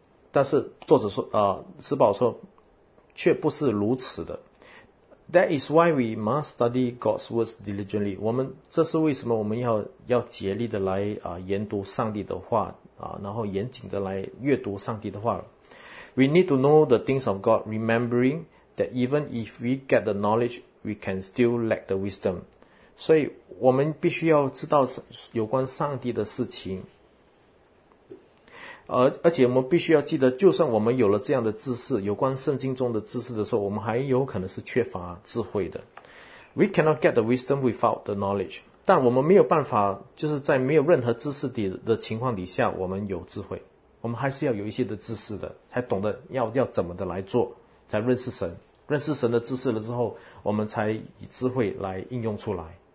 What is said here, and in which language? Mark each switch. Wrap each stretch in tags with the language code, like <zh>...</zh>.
<zh>但是作者说施宝说却不是如此的</zh> <en>That is why we must study God's words diligently</en> <zh>我们这是为什么我们要竭力的来研读上帝的话然后严谨的来阅读上帝的话</zh> <en>We need to know the things of God remembering that even if we get the knowledgeWe can still lack the wisdom.</en> <zh>所以我们必须要知道有关上帝的事情。而且我们必须要记得，就算我们有了这样的知识，有关圣经中的知识的时候，我们还有可能是缺乏智慧的。</zh> <en>We cannot get the wisdom without the knowledge.</en> <zh>但我们没有办法，就是在没有任何知识的情况底下，我们有智慧。我们还是要有一些的知识的，才懂得要怎么的来做，才认识神。认识神的知识了之后，我们才以智慧来应用出来。</zh>